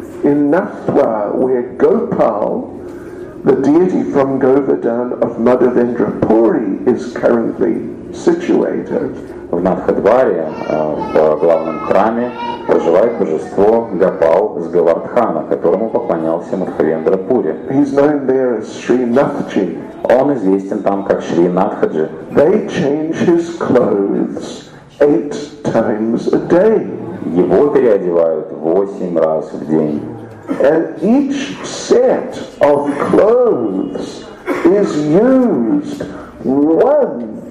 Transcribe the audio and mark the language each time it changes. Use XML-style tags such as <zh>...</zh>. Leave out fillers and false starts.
<en>In Nathdwar, where Gopal, the deity from Govardhan of Madhavendra Puri, is currently situated.</en> <ru>В Надхадваре, в главном храме, проживает божество Гопал с Говардхана, которому поклонялся Мадхавендра Пури.</ru> <en>He's known there as Sri Nathji.</en> <ru>Он известен там как Шри Натхаджи.</ru> <en>They change his clothes 8 times a day.</en> <ru>Его переодевают 8 раз в день.</ru> <en>And each set of clothes is used one.</en>